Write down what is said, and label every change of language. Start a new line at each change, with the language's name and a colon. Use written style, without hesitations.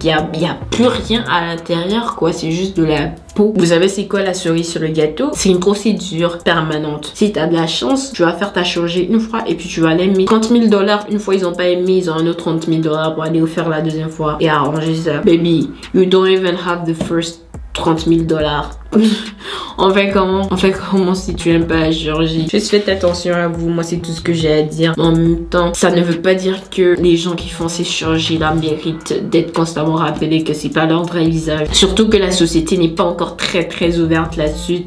French: Il y a plus rien à l'intérieur, quoi. C'est juste de la peau. Vous savez c'est quoi la cerise sur le gâteau? C'est une procédure permanente. Si t'as de la chance, tu vas faire ta chirurgie une fois et puis tu vas aller mettre 30 000 $. Une fois ils ont pas aimé, ils ont un autre 30 000 $ pour aller faire la deuxième fois et arranger ça.
English: Baby, you don't even have the first 30 000 $.
French: On fait comment si tu aimes pas la chirurgie? Juste faites attention à vous, moi c'est tout ce que j'ai à dire. En même temps, ça ne veut pas dire que les gens qui font ces chirurgies là méritent d'être constamment rappelés que c'est pas leur vrai visage. Surtout que la société n'est pas encore très très ouverte là-dessus.